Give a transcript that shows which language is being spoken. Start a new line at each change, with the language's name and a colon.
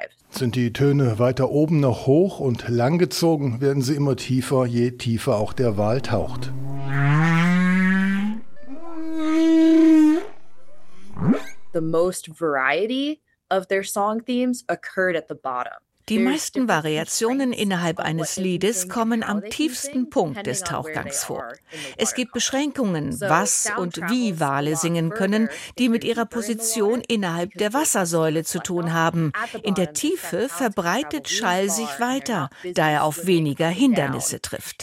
German: Sind die Töne weiter oben noch hoch und langgezogen, werden sie immer tiefer, je tiefer auch der Wal taucht.
English: The most variety of their song themes occurred at the bottom.
German: Die meisten Variationen innerhalb eines Liedes kommen am tiefsten Punkt des Tauchgangs vor. Es gibt Beschränkungen, was und wie Wale singen können, die mit ihrer Position innerhalb der Wassersäule zu tun haben. In der Tiefe verbreitet Schall sich weiter, da er auf weniger Hindernisse trifft.